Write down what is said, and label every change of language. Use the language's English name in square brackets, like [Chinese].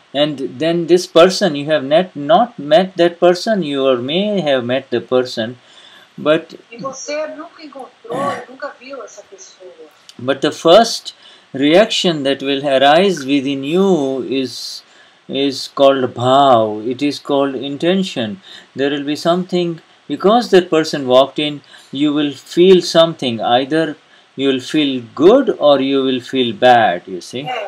[English] And then this person, you have not met that person, you or may have met the person, but... [Portuguese] E você nunca encontrou, nunca viu essa pessoa. [English] But the first reaction that will arise within you is called bhav, it is called intention. There will be something, because that person walked in, you will feel something, either you will feel good or you will feel bad, you see.